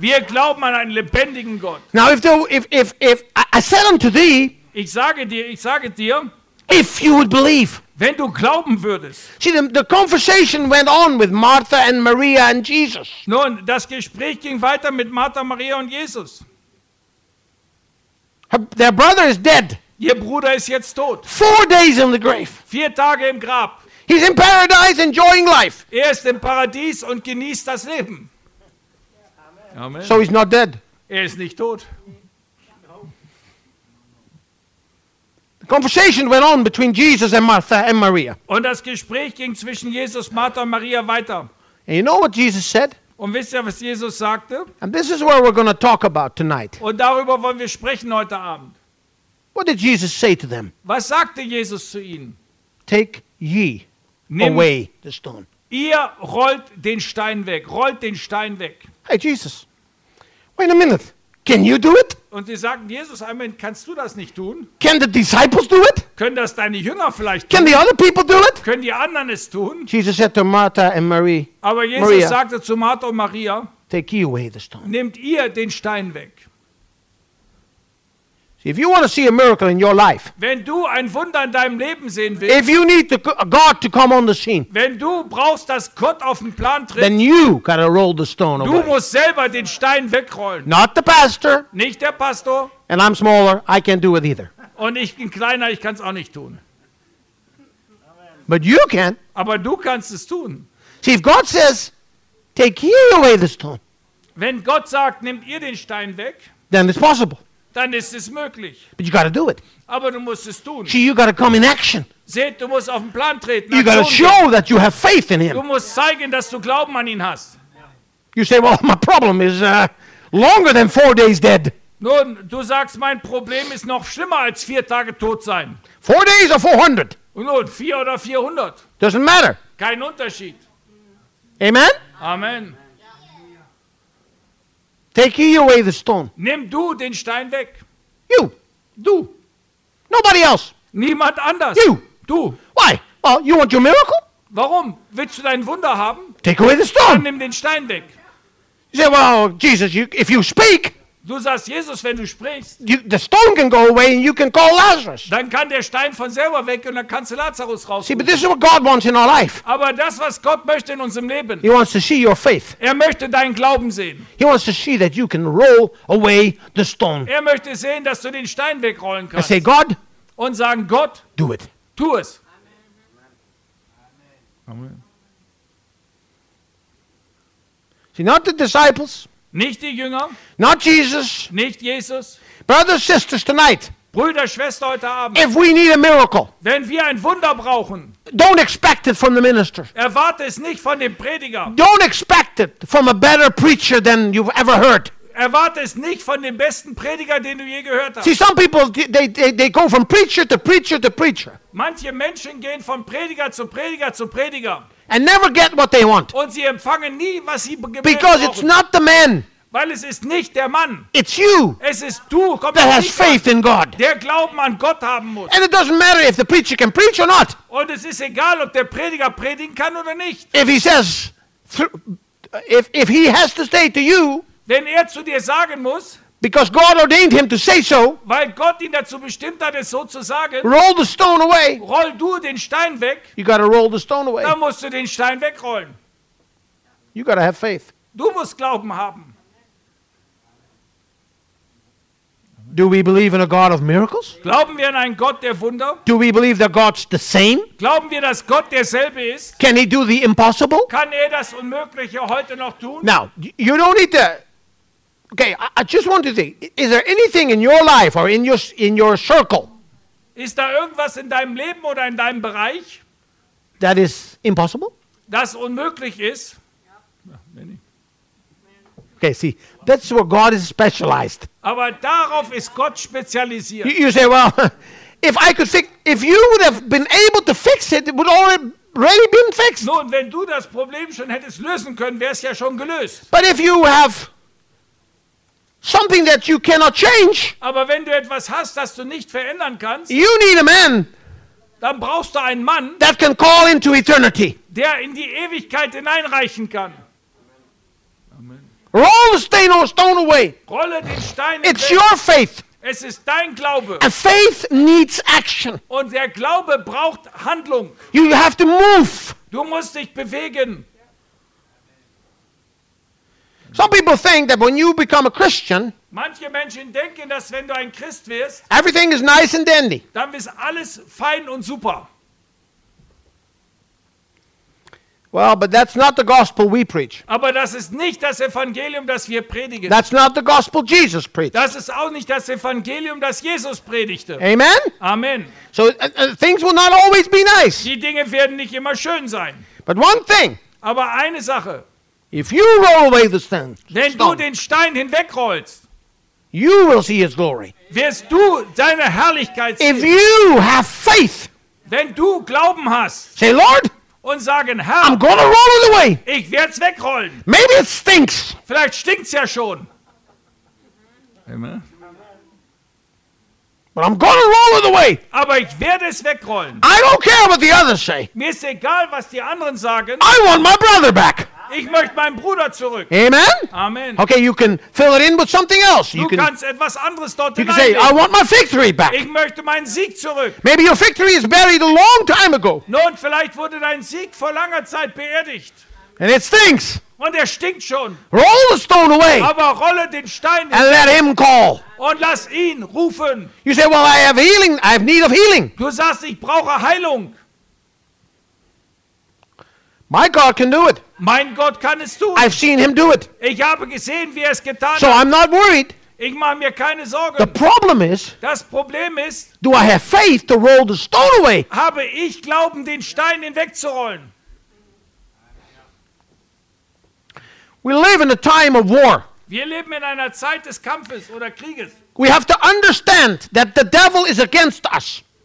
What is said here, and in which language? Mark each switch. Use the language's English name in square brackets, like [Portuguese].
[German] Wir glauben an einen lebendigen Gott. [English] Now, if I said unto thee, [German] ich sage dir, [English] if you would believe, [German] wenn du glauben würdest. [English] See, the conversation went on with Martha and Maria and Jesus. [German] Nun, das Gespräch ging weiter mit Martha, Maria und Jesus. [English] Their brother is dead. [German] Ihr Bruder ist jetzt tot. [English] 4 days in the grave. [German] 4 Tage im Grab. [English] He's in paradise enjoying life. [German] Er ist im Paradies und genießt das Leben. [English] Amen. Amen. So he's not dead. [German] Er ist nicht tot. [English] The conversation went on between Jesus and Martha and Maria. [German] Und das Gespräch ging zwischen Jesus, Martha und Maria weiter. [English] And you know what Jesus said? [German] Und wisst ihr, was Jesus sagte? [English] And this is where we're going to talk about tonight. [German] Und darüber wollen wir sprechen heute Abend. [English] What did Jesus say to them? [German] Was sagte Jesus zu ihnen? [English] Take ye away the stone. [German] Ihr rollt den Stein weg. Rollt den Stein weg. [English] Hey Jesus, wait a minute. Can you do it? [German] Und sie sagten, Jesus, einmal, kannst du das nicht tun? [English] Can the disciples do it? [German] Können das deine Jünger vielleicht [English] tun? Can the other people do it? [German] Können die anderen es tun? [English] Jesus said to Martha and Marie. [German] Aber Jesus Maria, sagte zu Martha und Maria. [English] Take ye away the stone. [German] Nehmt ihr den Stein weg. [English] If you want to see a miracle in your life, [German] wenn du ein Wunder in deinem Leben sehen willst, [English] if you need God to come on the scene, [German] wenn du brauchst, dass Gott auf den Plan tritt, [English] then you gotta roll the stone [German] du [English] away. [German] Du musst selber den Stein wegrollen. [English] Not the pastor. [German] Nicht der Pastor. [English] And I'm smaller. I can't do it either. [German] Und ich bin kleiner. Ich kann es auch nicht tun. [English] But you can. [German] Aber du kannst es tun. [English] See, if God says, take ye away the stone, [German] wenn Gott sagt, nehmt ihr den Stein weg, [English] then it's possible. [German] Dann ist es möglich. [English] But you gotta do it. [German] Aber du musst es tun. [English] See, you gotta come in action. [German] Seht, du musst auf den Plan treten. [English] You gotta show that you have faith in him. [German] Du musst zeigen, dass du Glauben an ihn hast. [English] You say, well, my problem is longer than 4 days dead. [German] Nun, du sagst, mein Problem ist noch schlimmer als 4 Tage tot sein. [English] 4 days or 400? [German] Nun, 4 oder 400. [English] Doesn't matter. [German] Kein Unterschied. [English] Amen? [German] Amen. [English] Take he away the stone. [German] Nimm du den Stein weg. [English] You. [German] Du. [English] Nobody else. [German] Niemand anders. [English] You. [German] Du. [English] Why? Well, you want your miracle? [German] Warum? Willst du dein Wunder haben? [English] Take away the stone. [German] Dann nimm den Stein weg. [English] You say, well, Jesus, you, if you speak, [German] du sagst, Jesus, wenn du sprichst, [English] you, the stone can go away and you can call Lazarus. [German] Dann kann der Stein von selber weg und dann kannst du Lazarus rausrufen. [English] See, but this is what God wants in our life. [German] Aber das, was Gott möchte in unserem Leben, [English] he wants to see your faith. [German] Er möchte deinen Glauben sehen. [English] He wants to see that you can roll away the stone. [German] Er möchte sehen, dass du den Stein wegrollen kannst. [English] I say, God, [German] und sagen, Gott, [English] do it. [German] Tu es. [English] Amen. See, not the disciples. [German] Nicht die Jünger. [English] Not Jesus. [German] Nicht Jesus. [English] Brothers, sisters, tonight. [German] Brüder, Schwester, heute Abend. [English] If we need a miracle. [German] Wenn wir ein Wunder brauchen. [English] Don't expect it from the minister. [German] Erwarte es nicht von dem Prediger. [English] Don't expect it from a better preacher than you've ever heard. [German] Erwarte es nicht von dem besten Prediger, den du je gehört hast. [English] See, some people, they go from preacher to preacher to preacher. [German] Manche Menschen gehen von Prediger zu Prediger zu Prediger. [English] And never get what they want. [German] Und sie empfangen nie, was sie gebeten haben. [English] Because It's not the man. [German] Weil es ist nicht der Mann. [English] It's you. [German] Es ist du. [English] Komm, that has faith in God. [German] Der Glauben an Gott haben muss. [English] And it doesn't matter if the preacher can preach or not. [German] Und es ist egal, ob der Prediger predigen kann oder nicht. [English] If he says, if he has to say to you. [German] Wenn er zu dir sagen muss, [English] because God ordained him to say so, [German] weil Gott ihn dazu bestimmt hat, es so zu sagen, [English] roll the stone away, [German] roll du den Stein weg, [English] you gotta roll the stone away, [German] dann musst du den Stein wegrollen. [English] You gotta have faith. [German] Du musst Glauben haben. [English] Do we believe in a God of miracles? [German] Glauben wir an einen Gott der Wunder? [English] Do we believe that God's the same? [German] Glauben wir, dass Gott derselbe ist? [English] Can he do the impossible? [German] Kann er das Unmögliche heute noch tun? [English] Now, you don't need to. Okay, I just want to think. Is there anything in your life or in your circle? [German] Ist da irgendwas in deinem Leben oder in deinem Bereich? [English] That is impossible? [German] Das unmöglich ist? [English] Ja, many. Okay, see, that's where God is specialized. [German] Aber darauf ist Gott spezialisiert. [English] You say, well, if I could fix, if you would have been able to fix it, it would already been fixed. [German] Nun, wenn du das Problem schon hättest lösen können, wäre es ja schon gelöst. [English] But if you have something that you cannot change. [German] Aber wenn du etwas hast, das du nicht verändern kannst. [English] You need a man. [German] Dann brauchst du einen Mann. [English] That can call into eternity. [German] Der in die Ewigkeit hineinreichen kann. [English] Amen. Roll the stone away. [German] Rolle den Stein weg. [English] It's your faith. [German] Es ist dein Glaube. [English] And faith needs action. [German] Und der Glaube braucht Handlung. [English] You have to move. [German] Du musst dich bewegen. [English] Some people think that when you become a Christian, [German] manche Menschen denken, dass wenn du ein Christ wirst, [English] everything is nice and dandy. [German] Dann ist alles fein und super. [English] Well, but that's not the gospel we preach. [German] Aber das ist nicht das Evangelium, das wir predigen. [English] That's not the gospel Jesus preached. [German] Das ist auch nicht das Evangelium, das Jesus predigte. [English] Amen. [German] Amen. [English] So things will not always be nice. [German] Die Dinge werden nicht immer schön sein. [English] But one thing. [German] Aber eine Sache. [English] If you roll away the stone, [German] wenn du den Stein hinwegrollst, [English] you will see his glory. [German] Wirst du seine Herrlichkeit sehen. [English] If you have faith, [German] wenn du Glauben hast, [English] say, Lord, [German] und sagen, Herr, [English] I'm gonna roll it away. [German] Ich werd's wegrollen. [English] Maybe it stinks. [German] Vielleicht stinkt's ja schon. [English] Amen. But I'm gonna roll it away. [German] Aber ich werde es wegrollen. [English] I don't care what the others say. [German] Mir ist egal, was die anderen sagen. [English] I want my brother back. [German] Ich möchte meinen Bruder zurück. [English] Amen. [German] Amen. [English] Okay, you can fill it in with something else. [German] Du kannst etwas anderes dort hineinlegen. [English] You can say, I want my victory back. [German] Ich möchte meinen Sieg zurück. [English] Maybe your victory is buried a long time ago. [German] Nun, vielleicht wurde dein Sieg vor langer Zeit beerdigt. [English] And it stinks. [German] Und er stinkt schon. [English] Roll the stone away. [German] Aber rolle den Stein. [English] And let him call. [German] Und lass ihn rufen. [English] You say, well, I have healing. I have need of healing. [German] Du sagst, ich brauche Heilung. [English] My God can do it. [German] Mein Gott kann es tun. [English] I've seen him do it. [German] Ich habe gesehen, wie er es getan hat. [English] So I'm not worried. [German] Ich mache mir keine Sorgen. [English] The problem is. [German] Das Problem ist. [English] Do I have faith to roll the stone away? [German] Habe ich Glauben, den Stein hinwegzurollen? [English] We live in a time of war. [German] Wir leben in einer Zeit des Kampfes oder Krieges. [English] We have to understand that the devil is against us.